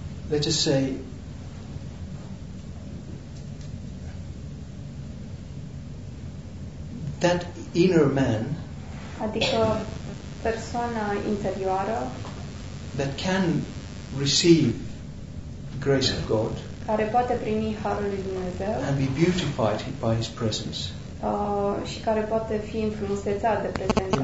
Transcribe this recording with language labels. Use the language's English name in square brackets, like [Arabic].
[English] let us say, that inner man, [Romanian] adică persoana interioară, [English] that can receive grace of God, [Romanian] care poate primi harul lui Dumnezeu, [English] and be beautified by his presence. [Romanian] Și care poate fi înfrumusețat de prezența lui.